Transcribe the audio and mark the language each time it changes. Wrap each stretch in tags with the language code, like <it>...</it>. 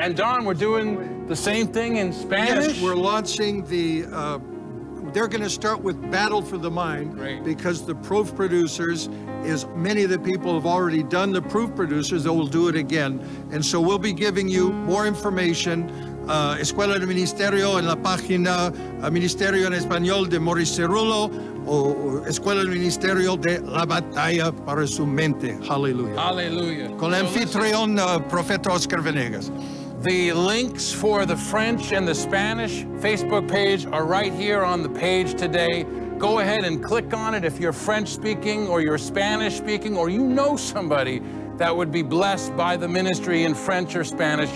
<en>And Don, we're doing the same thing in Spanish? Yes, we're launching the, they're going to start with Battle for the Mind. Great. Because the proof producers is, many of the people have already done the proof producers, they will do it again. And so we'll be giving you more information.</en> <es>Escuela de Ministerio en la página Ministerio en Español de Maurice Cerullo, o Escuela de Ministerio de la Batalla para su Mente.</es> <en>Hallelujah. Hallelujah.</en> <es>Con anfitrión, Profeta Oscar Venegas.</es> <en>The links for the French and the Spanish Facebook page are right here on the page today. Go ahead and click on it if you're French speaking or you're Spanish speaking or you know somebody that would be blessed by the ministry in French or Spanish.</en>